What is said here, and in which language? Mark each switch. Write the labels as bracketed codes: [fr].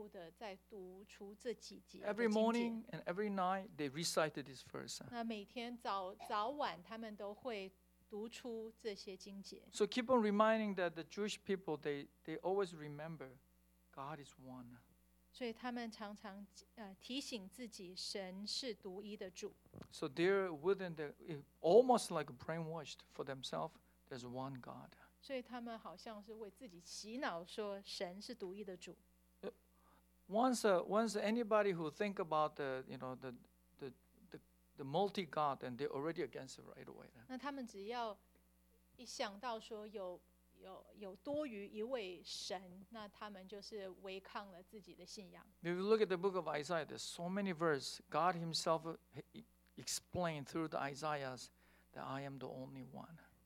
[zh] 那所以犹太人他们会反复的在读出这几节。 [en] Every morning and every night, they recited this verse. [zh] 那每天早晚他们都会读出这些经节。 [en] So keep on reminding that the Jewish people, they always remember God is one. [zh] 所以他们常常 提醒自己神是独一的主。 [en] So they're within the almost like brainwashed for themselves. There's one God. [zh] 所以他们好像是为自己洗脑说神是独一的主。 [en] Once anybody who think about the multi God, and they're already against it right away. [zh] 那他们只要一想到说有 有多于一位神，那他们就是违抗了自己的信仰。 [en] If you look at the book of Isaiah, there's so many verses. God himself explained through the Isaiahs that I am the only one.